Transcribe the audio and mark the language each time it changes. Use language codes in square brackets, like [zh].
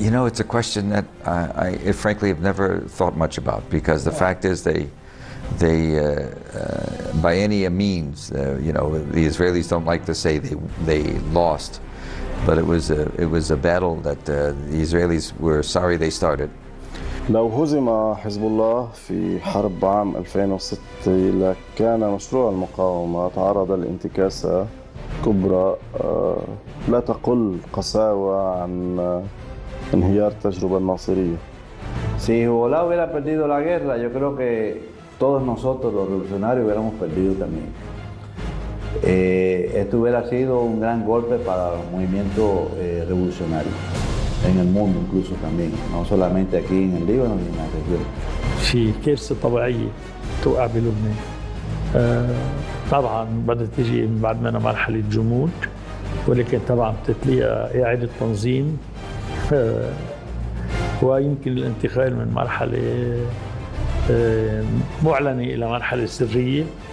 [en] It's a question that I frankly have never thought much about, because the fact is they by any means, the Israelis don't like to say they lost. But it was a battle that the Israelis were sorry they started. [ar] لو هزم حزب الله في حرب عام 2006 لكان مشروع المقاومة تعرض لانتكاسة كبرى لا تقل قساوة عن انهيار التجربة الناصرية. [es] Si Hezbollah hubiera perdido la guerra, yo creo que todos nosotros, los revolucionarios, hubiéramos perdido también. Esto hubiera sido un gran golpe para los movimientos revolucionarios en el mundo, incluso también, no solamente aquí en el Líbano, sino en la región. [ar] في كارثة طبيعية تقابل لبنان. طبعا بدأت تجي بعد منها مرحلة جمود، ولكن طبعا بتتلقى إعادة تنظيم، ويمكن الانتقال من مرحلة معلنة إلى مرحلة سرية.